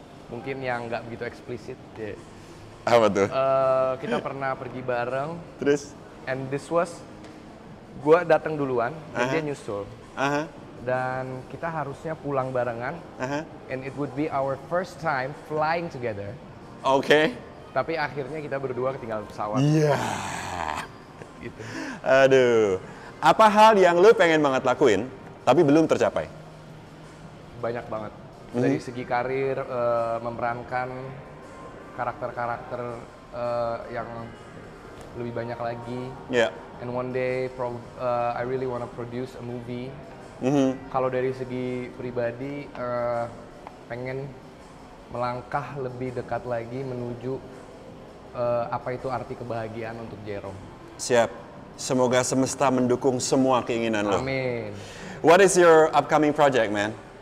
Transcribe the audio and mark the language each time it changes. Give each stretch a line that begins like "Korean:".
Indonesian: Mungkin yang gak begitu eksplisit.
English: Yeah.
Indonesian: Apa tuh? Kita pernah pergi bareng. Terus?
English: And this was,
Indonesian: gue datang duluan, dan dia nyusul. Dan kita harusnya pulang barengan.
English: And it would be our first time flying together. Okay.
Indonesian: Tapi akhirnya kita berdua ketinggalan pesawat. Gitu. Aduh. Apa hal yang lo pengen banget lakuin, tapi belum tercapai? Banyak banget. dari segi karir, memerankan karakter-karakter yang lebih banyak lagi.
English: Yeah. And one day, I really wanna produce a movie. Mm-hmm.
Indonesian: Kalau dari segi pribadi, pengen melangkah lebih dekat lagi menuju apa itu arti kebahagiaan untuk Jerome. Siap. Semoga semesta mendukung semua keinginan lo. Amin.
English: What is your upcoming project, man?